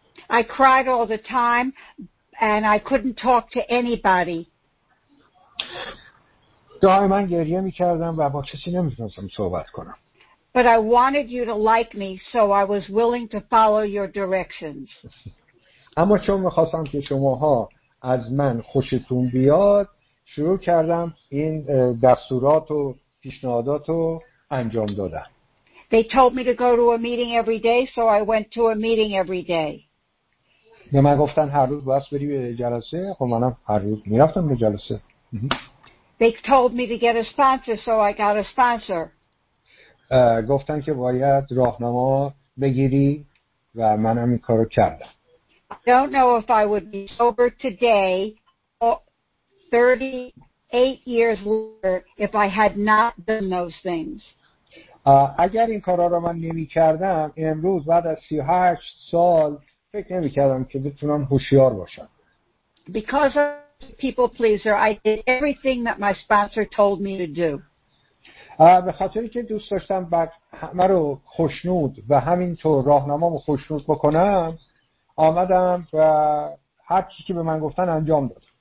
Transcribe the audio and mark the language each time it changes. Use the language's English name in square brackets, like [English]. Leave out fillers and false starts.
[English] I cried all the time and I couldn't talk to anybody. [Persian] دائما گریه می‌کردم و با کسی نمی‌تونستم صحبت کنم. [English] But I wanted you to like me, so I was willing to follow your directions. [Persian] اما چون می‌خواستم که شماها از من خوشتون بیاد، شروع کردم این دستورات و پیشنهادات رو انجام دادم. [English] They told me to go to a meeting every day, so I went to a meeting every day. [Persian] به من گفتن هر روز باید بری به جلسه، خب منم هر روز می‌رفتم به جلسه. [English] They told me to get a sponsor, so I got a sponsor. [Persian] گفتن که باید راهنما بگیری و منم این کارو کردم. [English] I don't know if I would be sober today, 38 years later, if I had not done those things. [Persian] اگر این کارا رو من نمی کردم امروز بعد از 38 سال فکر نمی کردم که بتونم هوشیار باشم. [English] Because I'm a people pleaser, I did everything that my sponsor told me to do. [Persian] به خاطری که دوست داشتم بعد همه رو خوشنود و همینطور راهنمام رو خوشنود بکنم، آمدم و هر چی که به من گفتن انجام دادم.